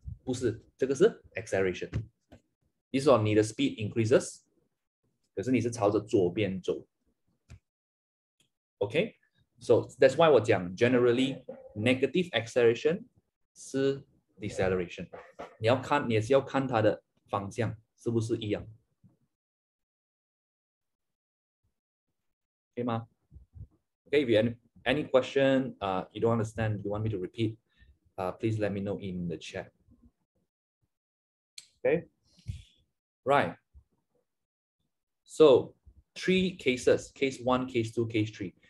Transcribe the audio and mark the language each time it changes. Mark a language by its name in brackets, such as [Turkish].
[Chinese] 不是, 这个是 acceleration. 意思说你的 [English] speed increases, [Chinese] 可是你是朝着左边走。Okay? [English] So that's why [Chinese] 我讲, [English] generally, negative acceleration 是 deceleration. [Chinese] 你要看, 你也是要看它的方向是不是一样, 可以吗? [English] Okay, if you have any question, you don't understand, you want me to repeat, please let me know in the chat. Okay, right. So three cases, case one, case two, case three.